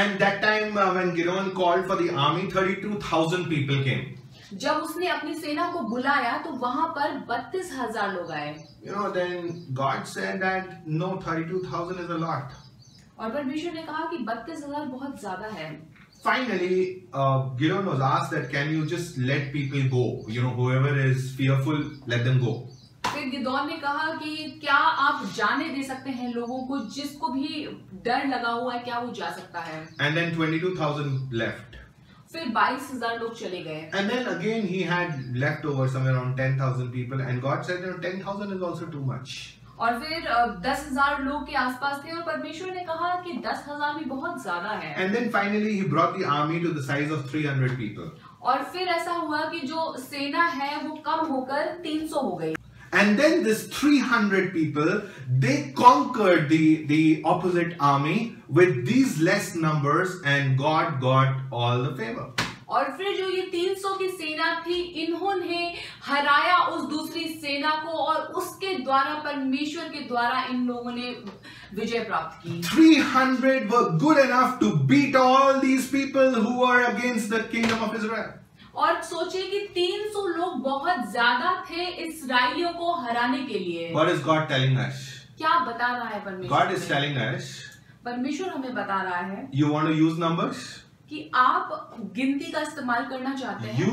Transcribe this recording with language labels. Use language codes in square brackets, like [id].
[en] And that time when Gideon called for the army 32,000 people came. [hi] जब उसने अपनी सेना को बुलाया तो वहां पर 32,000 लोग आए. [en] You know then God said that no 32,000 is a lot. [hi] और परमेश्वर ने कहा कि 32,000 बहुत ज्यादा है. [en] Finally, Gideon was asked that, "Can you just let people go? You know, whoever is fearful, let them go." [hi] फिर गिदोन ने कहा कि क्या आप जाने दे सकते हैं लोगों को जिसको भी डर लगा हुआ है क्या वो जा सकता है? [en] And then 22,000 left. [hi] फिर 22,000 लोग चले गए. [en] And then again he had left over somewhere around 10,000 people, and God said, "You know, 10,000 is also too much." [hi] और फिर 10,000 लोग के आसपास थे और परमेश्वर ने कहा कि 10,000 भी बहुत ज्यादा है. [en] And then finally he brought the army to the size of 300 people. [hi] और फिर ऐसा हुआ कि जो सेना है वो कम होकर 300 हो गई. [en] And then this 300 people they conquered the opposite army with these less numbers and God got all the favor. [hi] और फिर जो ये 300 की सेना थी इन्होंने हराया उस दूसरी सेना को और उसके द्वारा परमेश्वर के द्वारा इन लोगों ने विजय प्राप्त की. [en] 300 were good enough to beat all these people who were against the kingdom of Israel. [hi] और सोचे कि 300 लोग बहुत ज्यादा थे इसराइलियों को हराने के लिए. [en] What is God telling us? [hi] क्या बता रहा है परमेश्वर? [en] God is telling us. [hi] परमेश्वर हमें बता रहा है. [en] You want to use numbers? [hi] कि आप गिनती का इस्तेमाल करना चाहते हैं.